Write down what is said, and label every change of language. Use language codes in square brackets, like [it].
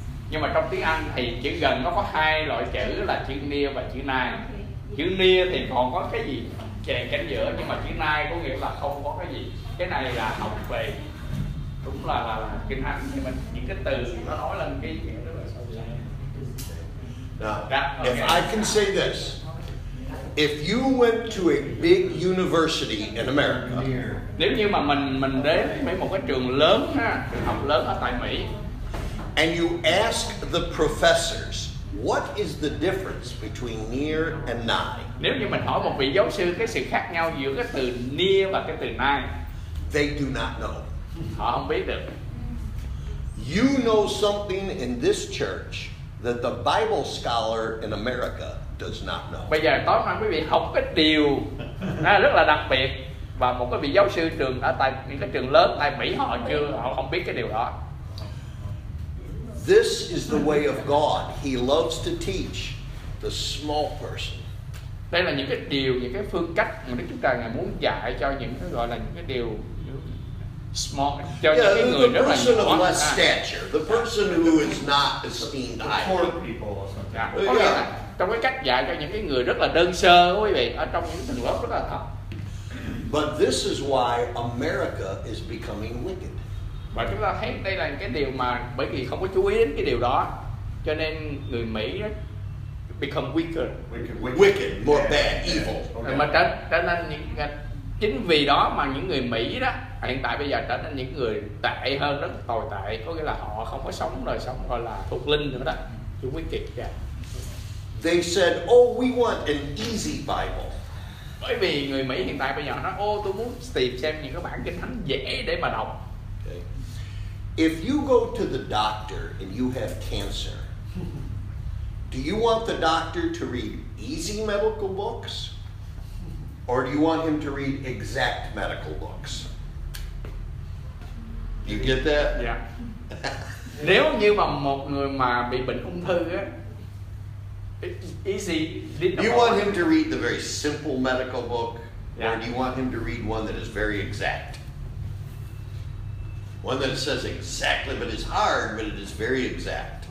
[vi] Nhưng mà trong tiếng Anh thì chữ gần nó có hai loại chữ là chữ near và chữ nigh. Chữ near thì còn có cái gì kề cánh giữa, nhưng mà chữ nigh có nghĩa là không có cái gì. Cái này là học về, đúng là Kinh Thánh, nhưng mà những cái từ nó nói lên cái nghĩa rất là sâu sắc. [en] If I can say this, if you went to a big university in America, [vi] nếu như mà mình đến mấy một cái trường lớn ha, học lớn ở tại Mỹ, [en] and you ask the professors, what is the difference between near and nigh? [vi] Nếu như mình hỏi một vị giáo sư cái sự khác nhau giữa cái từ near và cái từ nigh, [en] they do not know. [vi] Họ không biết được. [en] You know something in this church that the Bible scholar in America does not know. [vi] Bây giờ tóm lại quý vị học cái điều rất là đặc biệt và một cái vị giáo sư trường ở tại những cái trường lớn tại Mỹ họ không biết cái điều đó. [en] This is the way of God. He loves to teach the small person. [vi] Đây là những cái điều, những cái phương cách mà Đức Chúa Trời ngài muốn dạy cho những cái gọi là những cái điều small, cho những cái người rất là nhỏ. [en] The person of less stature, the person who is not esteemed high. Poor people. [vi] Trong cái cách dạy cho những cái người rất là đơn sơ, quý vị, ở trong những tầng lớp rất là thấp. [en] But this is why America is becoming wicked. [vi] Và chúng ta thấy đây là cái điều mà bởi vì không có chú ý đến cái điều đó, cho nên người Mỹ become [en] wicked, more bad, evil. [vi] Okay. Mà trở nên những chính vì đó mà những người Mỹ đó hiện tại bây giờ trở nên những người tệ hơn, rất tồi tệ, có nghĩa là họ không có sống đời sống gọi là thuộc linh nữa đó. Chú quý kiệt kìa. [en] They said, oh, we want an easy Bible. [vi] Bởi vì người Mỹ hiện tại bây giờ nói, oh, tôi muốn tìm xem những cái bản kinh thánh dễ để mà đọc. [en] Okay. If you go to the doctor and you have cancer, do you want the doctor to read easy medical books? Or do you want him to read exact medical books? You get that? Yeah. [vi] Nếu như mà một người mà bị bệnh ung thư á, easy. [en] You want him to read the very simple medical book, yeah. Or do you want him to read one that is very exact? One that says exactly, but it's hard, but it is very exact.